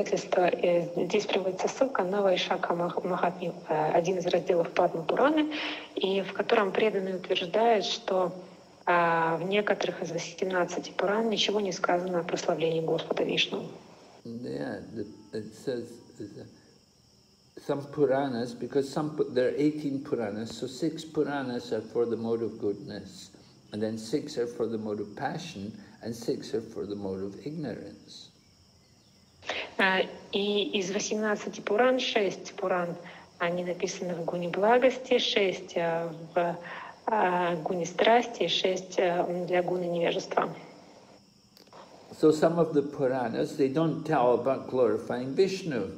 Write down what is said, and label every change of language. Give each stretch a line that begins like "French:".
Russian: Здесь приводится ссылка на Вайшака Махатми, один из разделов Падма Пураны, и в котором преданный утверждает, что в некоторых из 18 Пуран ничего не сказано о прославлении Господа Вишну.
English: Yeah, it says some Puranas, because there are 18 Puranas, so 6 Puranas are for the mode of goodness, and then 6 are for the mode of passion, and 6 are for the mode of ignorance.
Russian: И из 18 Пуран, 6 Пуран, они написаны в гуне благости, 6 в гуне страсти, 6 для гуны невежества.
English: So some of the Puranas, they don't tell about glorifying Vishnu.